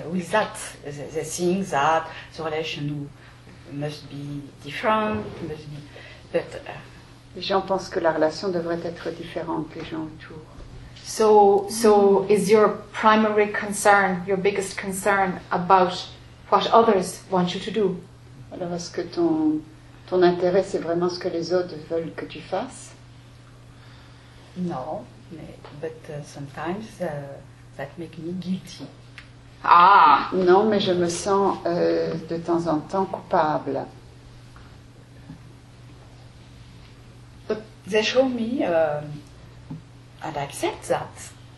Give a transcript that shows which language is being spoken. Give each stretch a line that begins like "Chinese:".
English: With that, they think that the relation must be different.
French: Les gens pensent que la relation devrait être différente. Les gens autour.
English: So is your primary concern, your biggest concern, about what others want you to do?
French: Alors, est-ce que ton intérêt, c'est vraiment ce que les autres veulent que tu fasses?
English: Non, but sometimes that makes me guilty. Ah!
French: Non, mais je me sens de temps en temps coupable.
English: But they show me, and I accept that.